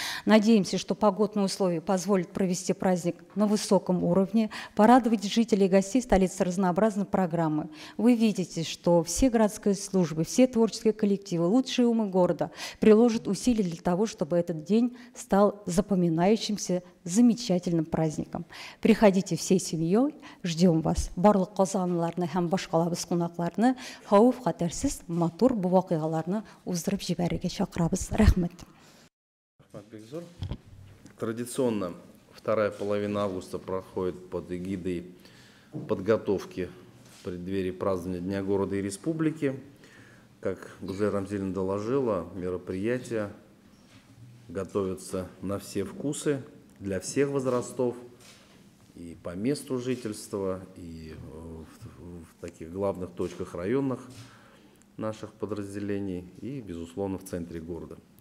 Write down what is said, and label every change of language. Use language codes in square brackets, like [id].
[ru] Надеемся, что погодные условия позволят провести праздник на высоком уровне, порадовать жителей и гостей столицы разнообразной программы. Вы видите, что все городские службы, все творческие коллективы, лучшие умы города приложат усилия для того, чтобы этот день стал запоминающимся. Начинающимся замечательным праздником. Приходите всей семьей, ждем вас. [tt] Барлык казанларны һәм башкалабыз кунакларны хауф хатерсиз матур бу вакыйгаларны уздырып җибәрергә чакырабыз. Рәхмәт. Рәхмәт Бекзур. [ru] Традиционно вторая половина августа проходит под эгидой подготовки в преддверии празднования Дня города и республики. Как Гузель Рамзильевна доложила, мероприятие готовятся на все вкусы, для всех возрастов, и по месту жительства, и в таких главных точках районных наших подразделений, и, безусловно, в центре города.